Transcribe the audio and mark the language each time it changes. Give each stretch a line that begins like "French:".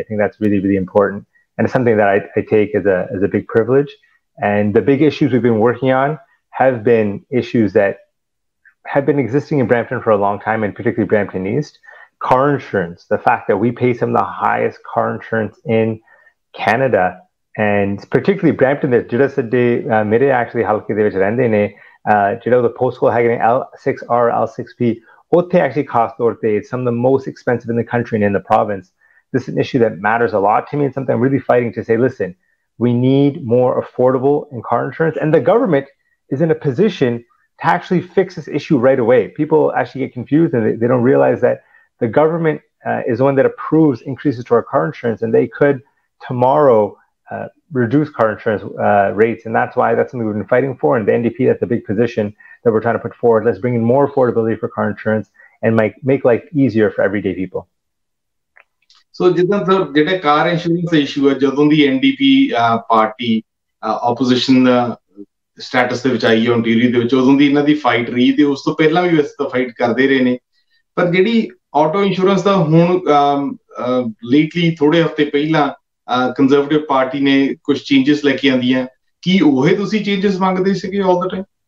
English: I think that's really, really important. And it's something that I take as a big privilege. And the big issues we've been working on have been issues that have been existing in Brampton for a long time, and particularly Brampton East. Car insurance, the fact that we pay some of the highest car insurance in Canada,
Punjabi: and ਪਰਟੀਕੂਲਰਲੀ Brampton ਦੇ ਜਿਹੜੇ ਸੱਡੇ ਮੇਰੇ actually ਹਲਕੇ ਦੇ ਵਿੱਚ ਰਹਿੰਦੇ ਨੇ, ਜਿਹੜਾ ਉਹਦਾ ਪੋਸਟ ਕੋਲ ਹੈਗੇ ਨੇ L6R, L6P, ਉੱਥੇ ਐਕਚੁਅਲੀ ਖਾਸ ਤੌਰ ਤੇ
English: Some the most expensive in the country and in the province. This is an issue that matters a lot to me and something I'm really fighting to say, listen, we need more affordable and car insurance. And the government is in a position to actually fix this issue right away. People actually get confused and they don't realize that the government is the one that approves increases to our car insurance, and they could tomorrow reduce car insurance rates. And that's why that's something we've been fighting for. And the NDP, that's a big position that we're trying to put forward. Let's bring in more affordability for car insurance and make life easier for everyday people.
Punjabi: ਸੋ ਜਿੱਦਾਂ sir ਜਿਹੜਾ ਕਾਰ insurance issue ਹੈ, ਜਦੋਂ ਦੀ NDP party opposition status ਦੇ ਵਿੱਚ ਆਈ ਹੈ Ontario ਦੇ ਵਿੱਚ, ਉਦੋਂ ਦੀ ਇਹਨਾਂ ਦੀ ਫਾਈਟ ਰਹੀ ਤੇ ਉਸ ਤੋਂ ਪਹਿਲਾਂ ਵੀ ਵੈਸੇ ਤਾਂ ਫਾਈਟ ਕਰਦੇ ਰਹੇ ਨੇ. ਪਰ ਜਿਹੜੀ ਆਟੋ ਇੰਸ਼ੋਰੈਂਸ ਦਾ ਹੁਣ ਲੇਟਲੀ ਥੋੜੇ ਹਫ਼ਤੇ ਪਹਿਲਾਂ ਕੰਜ਼ਰਵੇਟਿਵ ਪਾਰਟੀ ਨੇ ਕੁਝ ਚੇਂਜਸ ਲੈ ਕੇ ਆਉਂਦੀਆਂ, ਕੀ ਉਹੇ ਤੁਸੀਂ ਚੇਂਜਸ ਮੰਗਦੇ ਸੀਗੇ
English: All the time?